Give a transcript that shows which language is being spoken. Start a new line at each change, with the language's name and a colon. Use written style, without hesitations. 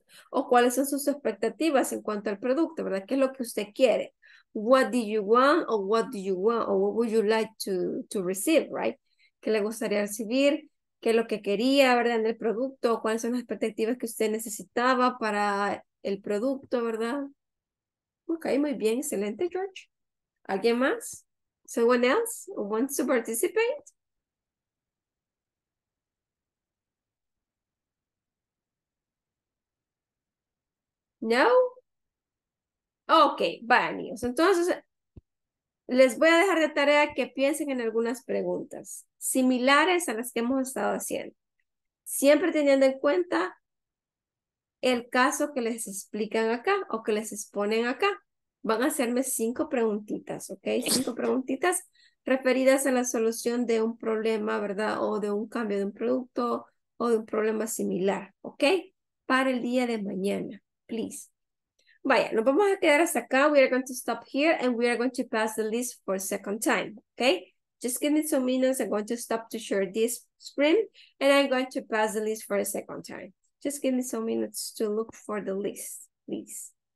Spanish: O cuáles son sus expectativas en cuanto al producto, ¿verdad? ¿Qué es lo que usted quiere?
English: What do you want, or what do you want, or what would you like to receive, right?
Spanish: ¿Qué le gustaría recibir? ¿Qué es lo que quería, verdad, en el producto? ¿Cuáles son las expectativas que usted necesitaba para el producto, verdad? Ok, muy bien, excelente, George. ¿Alguien más?
English: Someone else who wants to participate?
Spanish: No? Ok, vaya, niños. Entonces, les voy a dejar de tarea que piensen en algunas preguntas similares a las que hemos estado haciendo. Siempre teniendo en cuenta el caso que les explican acá o que les exponen acá. Van a hacerme 5 preguntitas, ¿ok? 5 preguntitas referidas a la solución de un problema, ¿verdad? O de un cambio de un producto o de un problema similar, ¿ok? Para el día de mañana. Please. Vaya, nos vamos a quedar hasta acá.
English: We are going to stop here and we are going to pass the list for a second time. Okay? Just give me some minutes. I'm going to stop to share this screen and I'm going to pass the list for a second time. Just give me some minutes to look for the list, please.